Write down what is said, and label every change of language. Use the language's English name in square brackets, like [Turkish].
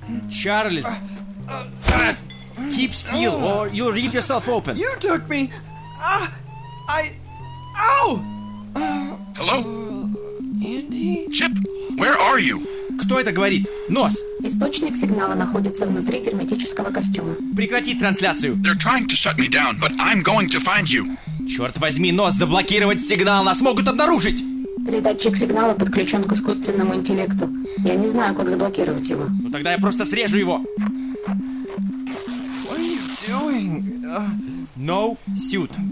[English] Charles! Keep still, or you'll rip yourself open. You took me! Hello? Andy? Chip, where are you? [Russian] Кто это говорит? Нос! Источник сигнала находится внутри герметического костюма. Прекрати трансляцию! [English] They're trying to shut me down, but I'm going to find you. [Russian] Черт возьми, Нос, заблокировать сигнал! Нас могут обнаружить! Передатчик сигнала подключен к искусственному интеллекту. Я не знаю, как заблокировать его. Ну тогда я просто срежу его! [English] What are you doing? No suit.